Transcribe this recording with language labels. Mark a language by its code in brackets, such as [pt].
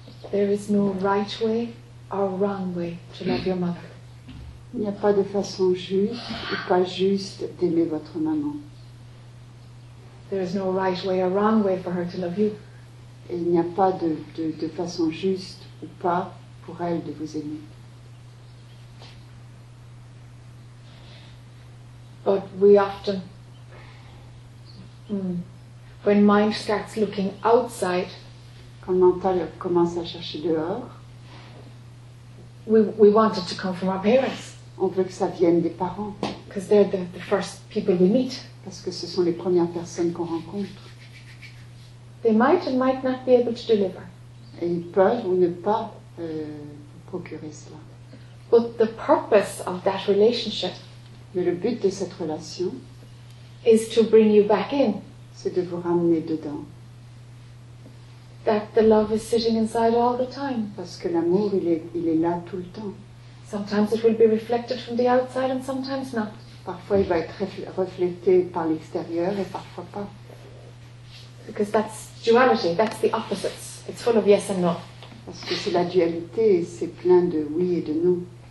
[en] There is no right way or wrong way to love your mother. [fr] Il n'y a pas de façon juste ou pas juste d'aimer votre maman. [en] There is no right way or wrong way for her to love you. [fr] Et il n'y a pas de façon juste ou pas pour elle de vous aimer. [en] But we often, when mind starts looking outside, [fr] quand le mental commence à chercher dehors, [en] we want it to come from our parents. [fr] On veut que ça vienne des parents. [en] Because they're the first people we meet. [fr] Parce que ce sont les premières personnes qu'on rencontre. [en] They might and might not be able to deliver. [fr] Et ils peuvent ou ne pas procurer cela. [en] But the purpose of that relationship, [fr] mais le but de cette relation, [en] is to bring you back in. [fr] C'est de vous ramener dedans. [en] That the love is sitting inside all the time. [fr] Parce que l'amour, il est là tout le temps. [en] Sometimes it will be reflected from the outside and sometimes not. [fr] Parfois il va être reflété par l'extérieur et parfois pas. [en] Because that's duality, that's the opposites. It's full of yes and no. [fr] Parce que c'est la dualité, c'est plein de oui et de non.